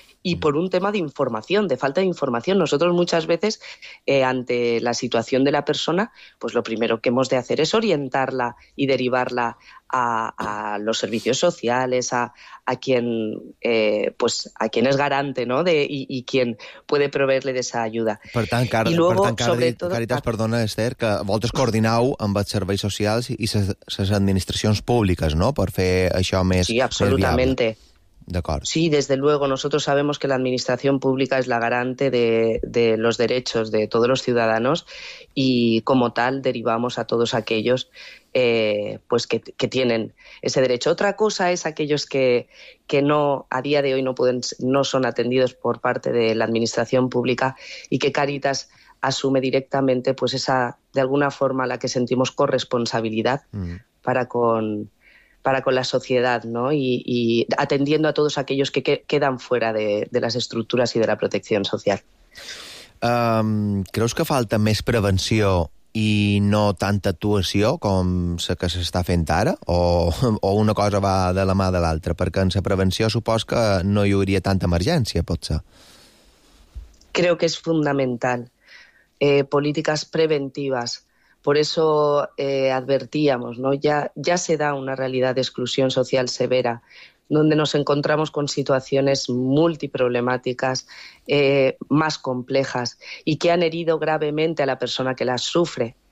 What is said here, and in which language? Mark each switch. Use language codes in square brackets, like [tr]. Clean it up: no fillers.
[es] Y por un tema de información, de falta de información. Nosotros muchas veces, ante la situación de la persona, pues lo primero que hemos de hacer es orientarla y derivarla a los servicios sociales, a quien es garante, ¿no? Y quien puede proveerle de esa ayuda. [ca] Per tant, Càritas, perdona, Esther, que vosaltres coordinau amb els serveis socials i les administracions públiques, no?, per fer això més viable. [es] Sí, absolutamente. [ca] D'acord. [es] Sí, desde luego, nosotros sabemos que la administración pública es la garante de los derechos de todos los ciudadanos y como tal derivamos a todos aquellos pues que tienen ese derecho. Otra cosa es aquellos que no, a día de hoy no son atendidos por parte de la administración pública y que Cáritas asume directamente pues esa, de alguna forma, la que sentimos corresponsabilidad para con la sociedad, ¿no? Y atendiendo a todos aquellos que quedan fuera de las estructuras y de la protección social. [ca] ¿Creus que falta més prevenció i no tanta actuació com la que s'està fent ara? O una cosa va de la mà de l'altra? Perquè en la prevenció supos que no hi hauria tanta emergència, potser. [es] Creo que es fundamental. Políticas preventivas. Por eso advertíamos, ¿no? Ya se da una realidad de exclusión social severa, donde nos encontramos con situaciones multiproblemáticas, más complejas, y que han herido gravemente a la persona que las sufre.